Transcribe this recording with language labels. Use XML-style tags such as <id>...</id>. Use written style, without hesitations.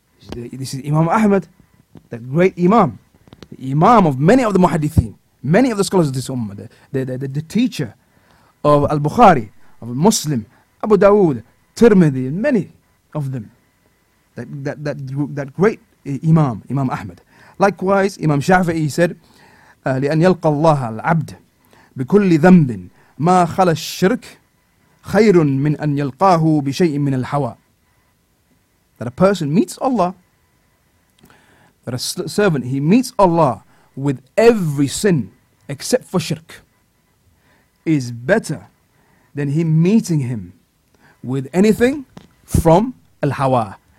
<en>This is Imam Ahmad, the great Imam, the Imam of many of the muhaddithin, many of the scholars of this ummah, the teacher of Al-Bukhari, of Muslim, Abu Dawood, Tirmidhi, many of them. That great Imam, Imam Ahmad. Likewise, Imam Shafi'i said,</en> <ar>لأن يلقى الله العبد بكل ذنب ما خلى الشرك خير من أن يلقاه بشيء من الحواء.</ar> <en>That a person meets Allah, that a servant, he meets Allah with every sin except for shirk, is better than him meeting him with anything from al-hawa.</en>